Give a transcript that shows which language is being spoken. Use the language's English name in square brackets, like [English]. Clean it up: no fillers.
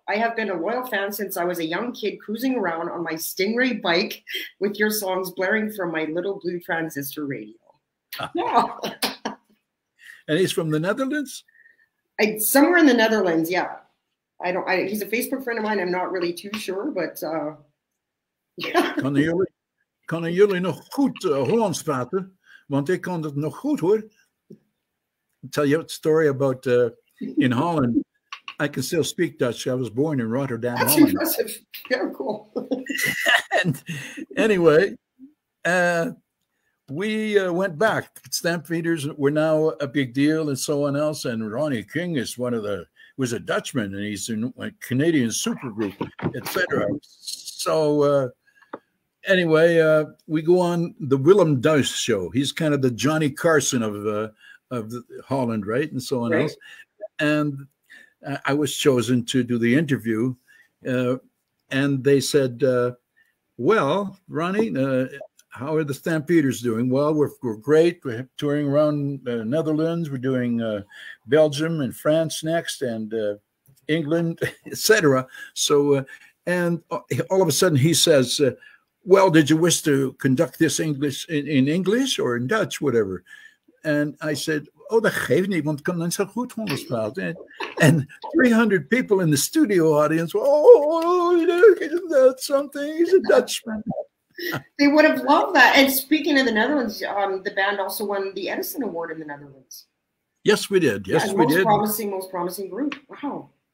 [English] I have been a loyal fan since I was a young kid cruising around on my Stingray bike with your songs blaring from my little blue transistor radio. And he's from the Netherlands? Somewhere in the Netherlands, yeah. He's a Facebook friend of mine. I'm not really too sure, but yeah. [Dutch] Kunnen jullie nog goed Hollands praten? Want ik kan dat nog goed hoor. [English] Tell you a story about in Holland. I can still speak Dutch. I was born in Rotterdam, that's Holland. That's impressive. Yeah, cool. And anyway, we went back. Stampeders were now a big deal and so on else. And Ronnie King is was a Dutchman, and he's in a Canadian supergroup, etc. So anyway, we go on the Willem Duis show. He's kind of the Johnny Carson of Holland, right, and so on right. else. And I was chosen to do the interview. And they said, well, Ronnie, how are the Stampeders doing? Well, we're great. We're touring around Netherlands. We're doing Belgium and France next, and England, etc. So, all of a sudden he says, well, did you wish to conduct this English in English or in Dutch, whatever? And I said, oh, [Dutch] dat geeft niet, want kan dan zo goed Hollands praten. [English] And 300 people in the studio audience, look, isn't that something? He's a Dutchman. They would have loved that. And speaking of the Netherlands, the band also won the Edison Award in the Netherlands. Yes, we did. Yes, yeah, we did. Most promising group. Wow.